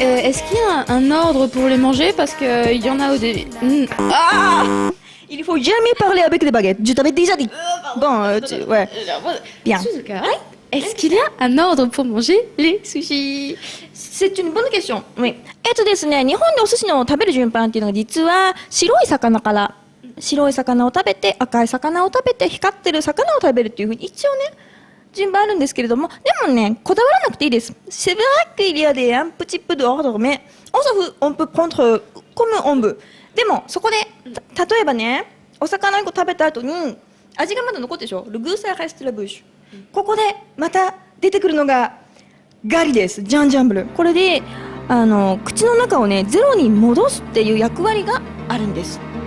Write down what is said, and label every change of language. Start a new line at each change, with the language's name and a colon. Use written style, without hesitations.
French: Est-ce qu'il y a un ordre pour les manger? Parce qu'il y en a au début. Il ne faut jamais parler avec des baguettes. Je t'avais déjà dit. Bon, ouais. Bien. Suzuka, est-ce qu'il y a un ordre pour manger les sushis? C'est une bonne question. Oui.
Japanese: ですね、日本でお寿司の食べる順番っていうのが実は白い魚から。白い魚を食べて、赤い魚を食べて、光ってる魚を食べるっていうふうに一応ね、順番あるんですけれども、でもね、こだわらなくていいです。
French: C'est vrai qu'il y a des un petit peu d'ordre, mais on s'en fout, on peut prendre comme on veut.
Japanese: でも、そこで、例えばね、お魚1個食べた後に、味がまだ残ってでしょ
French: Le goût ça reste la bouche.
Japanese: ここで、また出てくるのが、ガリです。ジャンジャンブル。これで、口の中をね、ゼロに戻すっていう役割があるんです。